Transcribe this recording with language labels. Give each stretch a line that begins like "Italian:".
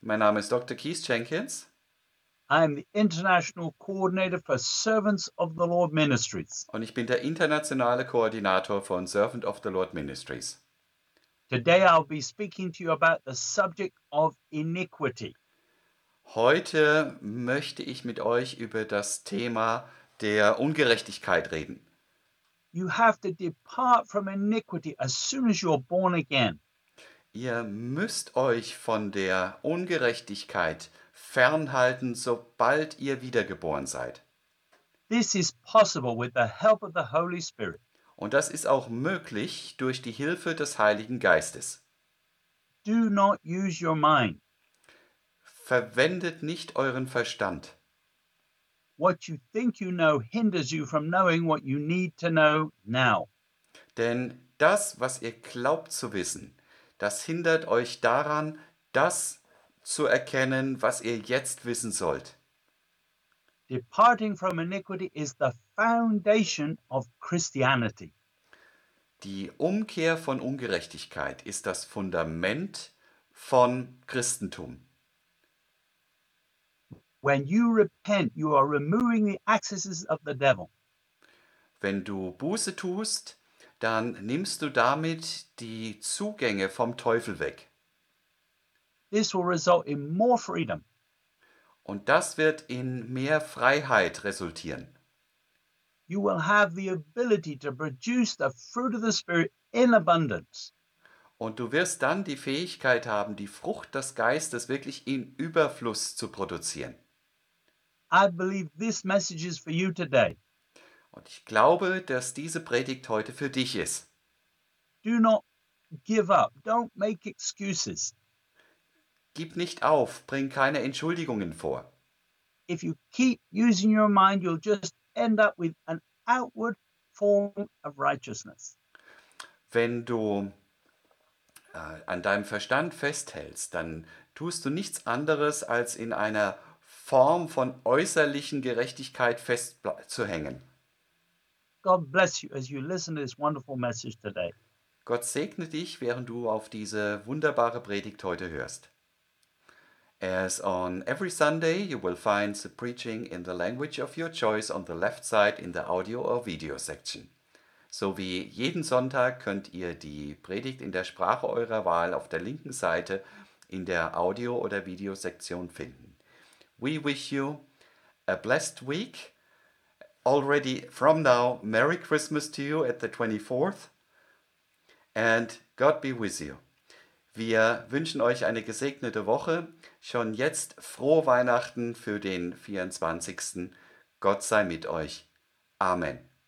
German: Mein Name ist Dr. Keith Jenkins.
English: I am the International Coordinator for Servants of the Lord Ministries.
German: Und ich bin der internationale Koordinator von Servant of the Lord Ministries.
English: Today I'll be speaking to you about the subject of iniquity.
German: Heute möchte ich mit euch über das Thema der Ungerechtigkeit reden.
English: You have to depart from iniquity as soon as you're born again.
German: Ihr müsst euch von der Ungerechtigkeit fernhalten, sobald ihr wiedergeboren seid.
English: This is possible with the help of the Holy Spirit.
German: Und das ist auch möglich durch die Hilfe des Heiligen Geistes.
English: Do not use your mind.
German: Verwendet nicht euren Verstand.
English: What you think you know hinders you from knowing what you need to know now.
German: Denn das, was ihr glaubt zu wissen, das hindert euch daran, das zu erkennen, was ihr jetzt wissen sollt.
English: Departing from iniquity is the foundation of Christianity.
German: Die Umkehr von Ungerechtigkeit ist das Fundament von Christentum.
English: When you repent, you are removing the accesses of the devil.
German: Wenn du Buße tust, dann nimmst du damit die Zugänge vom Teufel weg.
English: This will result in more freedom.
German: Und das wird in mehr Freiheit resultieren.
English: You will have the ability to produce the fruit of the Spirit in abundance.
German: Und du wirst dann die Fähigkeit haben, die Frucht des Geistes wirklich in Überfluss zu produzieren.
English: I believe this message is for you today.
German: Und ich glaube, dass diese Predigt heute für dich ist.
English: Do not give up. Don't make excuses.
German: Gib nicht auf, bring keine Entschuldigungen vor.
English: If you keep using your mind, you'll just end up with an outward form of righteousness.
German: Wenn du an deinem Verstand festhältst, dann tust du nichts anderes, als in einer Form von äußerlichen Gerechtigkeit festzuhängen.
English: God bless you as you listen to this wonderful message today.
German: Gott segne dich, während du auf diese wunderbare Predigt heute hörst.
English: As on every Sunday, you will find the preaching in the language of your choice on the left side in the audio or video section.
German: So wie jeden Sonntag könnt ihr die Predigt in der Sprache eurer Wahl auf der linken Seite in der Audio- oder Videosektion finden.
English: We wish you a blessed week. Already from now, Merry Christmas to you at the 24th. And God be with you.
German: Wir wünschen euch eine gesegnete Woche. Schon jetzt frohe Weihnachten für den 24. Gott sei mit euch. Amen.